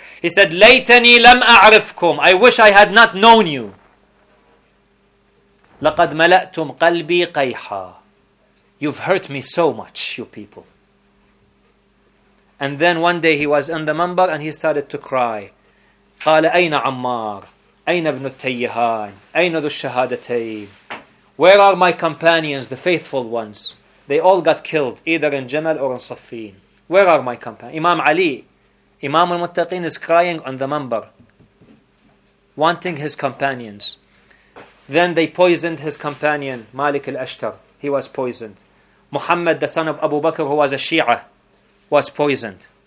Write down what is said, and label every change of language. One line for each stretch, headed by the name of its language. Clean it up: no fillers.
English: He said,
Arabic: Laytani lam a'rifkum.
English: I wish I had not known you.
Arabic: Laqad mala'tum qalbi qayha.
English: You've hurt me so much, you people. And then one day he was on the manbar and he started to cry.
Arabic: قال أين عمار أين ابن التيهان أين ذو الشهادتين
English: Where are my companions, the faithful ones? They all got killed, either in Jamal or in Safin. Where are my companions? Imam Ali, Imam al-Muttaqin, is crying on the manbar, wanting his companions. Then they poisoned his companion, Malik al-Ashtar. He was poisoned. Muhammad, the son of Abu Bakr, who was a Shia, was poisoned.